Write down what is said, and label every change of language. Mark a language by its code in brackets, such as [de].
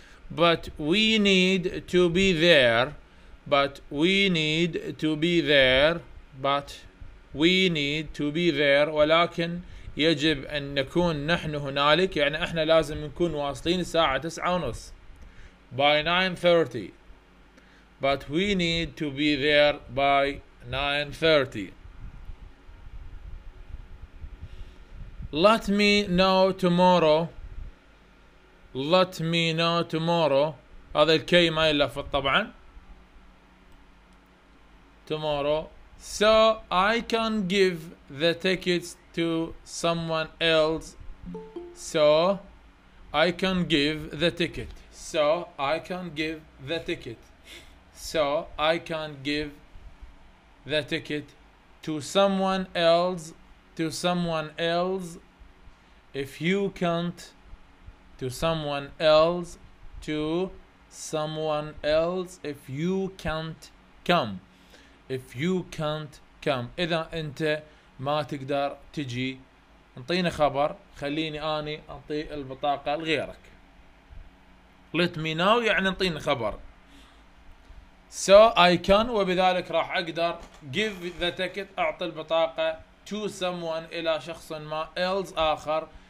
[en] But we need to be there. But we need to be there. But we need to be there. [ar] ولكن يجب أن نكون نحن هنالك. يعني إحنا لازم نكون واصلين الساعة 9:30. [en] By 9:30. But we need to be there by 9:30. Let me know tomorrow. Let me know tomorrow. [ar] هذا الكي ما يلفظ طبعا. [en] Tomorrow. So I can give the tickets to someone else. So I can give the ticket. So I can give the ticket. So I can give the ticket to someone else. To someone else. If you can't, to someone else, to someone else, if you can't come, if you can't come. [ar] إذا أنت ما تقدر تجي, أعطيني خبر, خليني أني أعطي البطاقة لغيرك. [en] Let me know [ar] يعني أعطيني خبر. [en] So I can, [ar] وبذلك راح أقدر [en] give the ticket, [ar] أعطي البطاقة [en] to someone, [ar] إلى شخص ما, [en] else [ar] آخر.